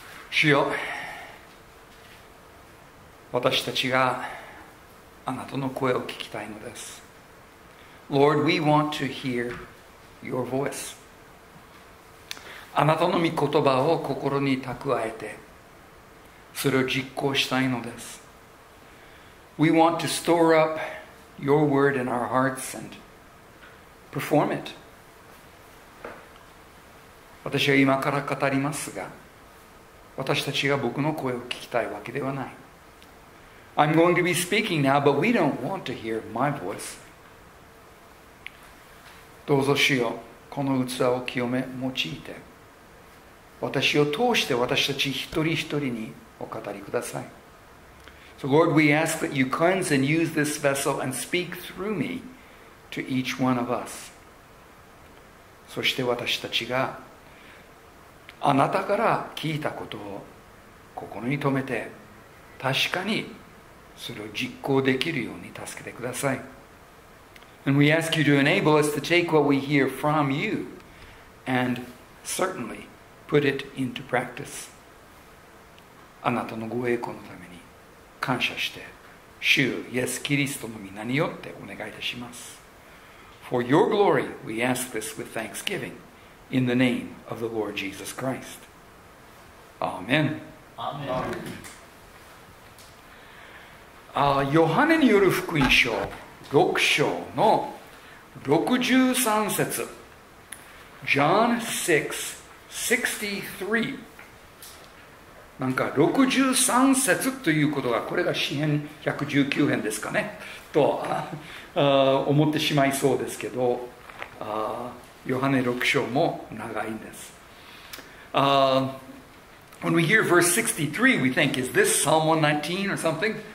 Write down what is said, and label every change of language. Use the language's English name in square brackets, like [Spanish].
[Japanese] 主よ、私たちがあなたの声を聞きたいのです。 [English] Lord, we want to hear your voice. [Japanese] あなたの御言葉を心に蓄えて、それを実行したいのです。 [English] We want to store up your word in our hearts and perform it. [Japanese] 私は今から語りますが、私たちが僕の声を聞きたいわけではない。 [English] I'm going to be speaking now, but we don't want to hear my voice. [Japanese] どうぞ主よ、この器を清め、用いて、私を通して私たち一人一人にお語りください。 [English] So Lord, we ask that you cleanse and use this vessel and speak through me to each one of us. [Japanese] そして私たちが、あなたから聞いたことを心に留めて、確かにそれを実行できるように助けてください。 [English] And we ask you to enable us to take what we hear from you and certainly put it into practice. [Japanese] あなたのご栄光のために感謝して、主イエス・キリストの名によってお願いいたします。 [English] For your glory, we ask this with thanksgiving. In the name of the Lord Jesus Christ. Amen. Amen. [Japanese] ヨハネによる福音書6章の63節。 John 6:63。なんか63節ということが、これが詩編119編ですかね。と思ってしまいそうですけど、ヨハネ6章も長いんです。 [English] When we hear verse 63, we think, is this Psalm 119 or something?